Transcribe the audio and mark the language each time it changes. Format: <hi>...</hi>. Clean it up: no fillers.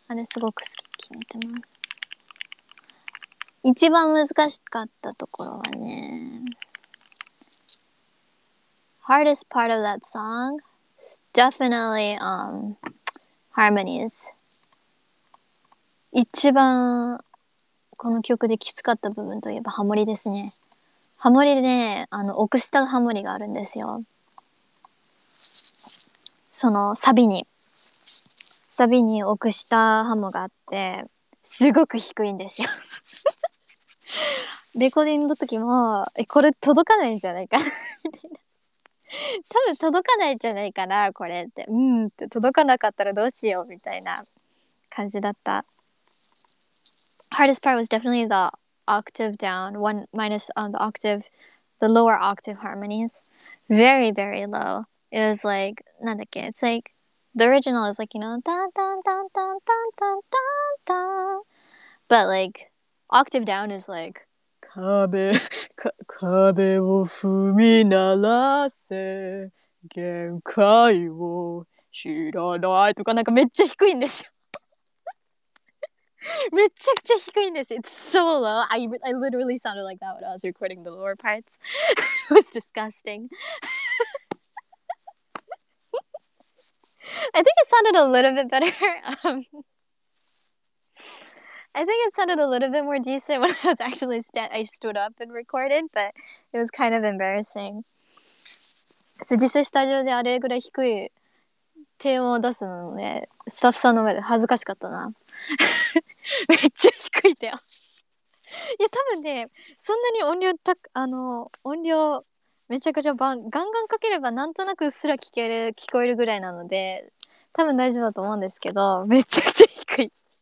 <ja>あれすごく好き、決めてます。一番難しかったところはね。</ja> <en>Hardest part of that song? Definitely, harmonies.</en> <ja>一番、この曲できつかった部分といえばハモリですね。ハモリでね、あの、奥下ハモリがあるんですよ。その、サビに。サビに奥下ハモがあって、すごく低いんですよ。レコーディングの時も、え、これ届かないんじゃないかな、みたいな。多分届かないんじゃないかな、これって。うんって、届かなかったらどうしよう、みたいな感じだった。</ja> <en>Hardest part was definitely the octave down, one minus on the octave, the lower octave harmonies. Very, very low. It was like,</en> <ja>なんだっけ?</ja> <en>It's like, the original is like, you know, dun, dun, dun, dun, dun, dun, dun, dun. But like, octave down is like,</en> <ja>壁を踏み鳴らせ限界を知らないとかなんかめっちゃ低いんですよ。めちゃくちゃ低いんです。</ja> <en>It's so low. I literally sounded like that when I was recording the lower parts. It was disgusting. I think it sounded a little bit better. I think it sounded a little bit more decent when I was actually I stood up and recorded, but it was kind of embarrassing.</en> <ja>So, 実際スタジオであれぐらい低い低音を出すのね、スタッフさんの前で恥ずかしかったな。めっちゃ低いだよ。いや多分ね、そんなに音量た、あの、音量めちゃくちゃガンガンかければなんとなくうっすら聞こえるぐらいなので、多分大丈夫だと思うんですけど、めちゃくちゃ低い。</ja>